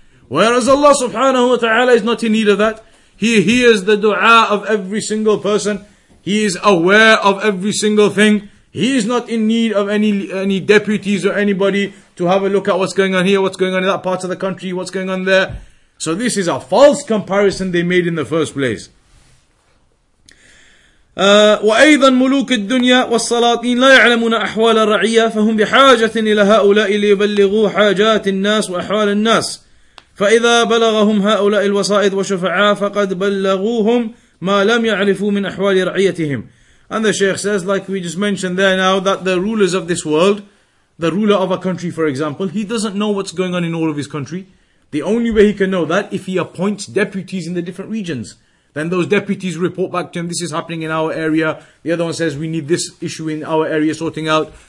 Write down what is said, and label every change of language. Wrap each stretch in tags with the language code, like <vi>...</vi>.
<en>Whereas Allah subhanahu wa ta'ala is not in need of that. He hears the dua of every single person. He is aware of every single thing. He is not in need of any deputies or anybody to have a look at what's going on here, what's going on in that part of the country, what's going on there. So this is a false comparison they made in the first place.</en> <ar>وأيضا ملوك الدنيا والسلاطين لا يعلمون أحوال الرعية فهم بحاجة إلى هؤلاء ليبلغوا حاجات الناس وأحوال الناس. فإذا بلغهم هؤلاء الوسائط وشفعاء فقد بلغوهم ما لم يعرفوا من أحوال رعيتهم.</ar> <en>And the Shaykh says, like we just mentioned there now, that the rulers of this world, the ruler of a country for example, he doesn't know what's going on in all of his country. The only way he can know that, if he appoints deputies in the different regions. Then those deputies report back to him, this is happening in our area. The other one says, we need this issue in our area sorting out.</en>